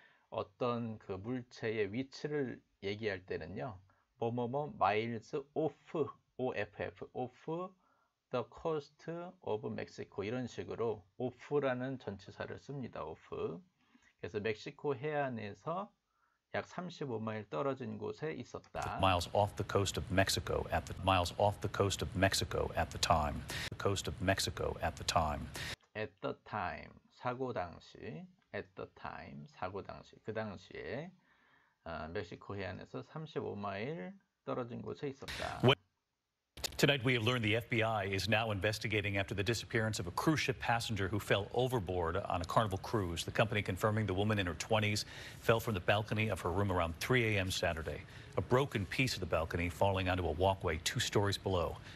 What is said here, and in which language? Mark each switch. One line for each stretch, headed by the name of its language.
Korean: 어떤 그 물체의 위치를 얘기할 때는요, 뭐뭐뭐
English: miles off, off, off the coast of Mexico
Korean: 이런 식으로 off라는 전치사를 씁니다.
English: off.
Korean: 그래서 멕시코 해안에서 약 35마일 떨어진 곳에 있었다.
English: Miles off the coast of Mexico at the miles off the coast of Mexico at the time. The coast of Mexico at the time.
Korean: At the time, 사고 당시,
English: at the time,
Korean: 사고 당시, 그 당시에 멕시코 해안에서 35마일 떨어진 곳에 있었다.
English: Tonight we have learned the FBI is now investigating after the disappearance of a cruise ship passenger who fell overboard on a Carnival cruise. The company confirming the woman in her 20s fell from the balcony of her room around 3 a.m. Saturday. A broken piece of the balcony falling onto a walkway 2 stories below.